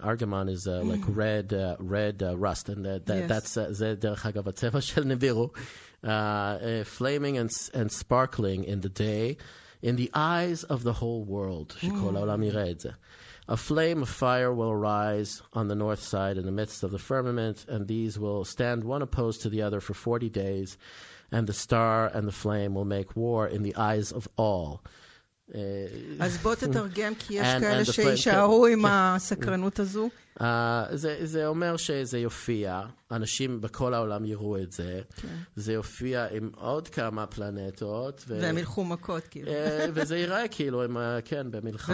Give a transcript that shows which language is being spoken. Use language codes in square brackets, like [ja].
[en] Argamon is like red rust. And that's [he] זה דרך אגב הצבע של נבירו. [en] Flaming and sparkling in the day, in the eyes of the whole world. [he] שכל העולם יראה את זה. [en] A flame of fire will rise on the north side in the midst of the firmament, and these will stand one opposed to the other for 40 days. and the star and the flame will make war in the eyes of all. [he] אז בוא תתרגם, כי יש כאלה שישארו עם הסקרנות הזו. זה אומר שזה יופיע, אנשים בכל העולם יראו את זה, זה יופיע עם עוד כמה פלנטות. והם ילכו מכות, כאילו. וזה יראה כאילו, כן, במלחמה.